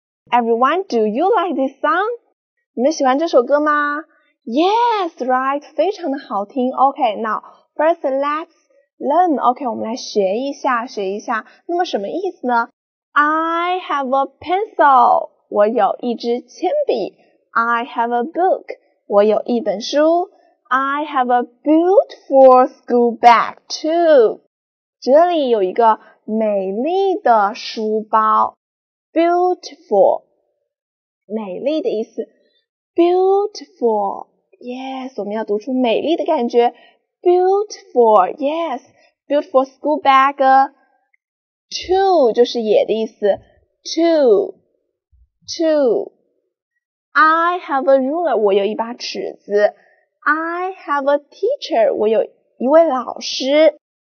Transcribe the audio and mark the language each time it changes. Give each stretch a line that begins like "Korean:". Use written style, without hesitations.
English: Everyone, do you like this song?
Chinese: 你们喜欢这首歌吗？
English: Yes, right,
Chinese: 非常的好听。
English: OK, now, first let's learn.
Chinese: OK, 我们来学一下，学一下。那么什么意思呢？
English: I have a pencil,
Chinese: 我有一支铅笔。
English: I have a book,
Chinese: 我有一本书。
English: I have a beautiful school bag too,
Chinese: 这里有一个美丽的书包。 Beautiful, 美丽的意思。
English: Beautiful, yes,
Chinese: 我们要读出美丽的感觉。
English: Beautiful, yes, beautiful school bag.
Chinese: Two, 就是也的意思。Two, two.
English: I have a ruler,
Chinese: 我有一把尺子。
English: I have a teacher,
Chinese: 我有一位老师。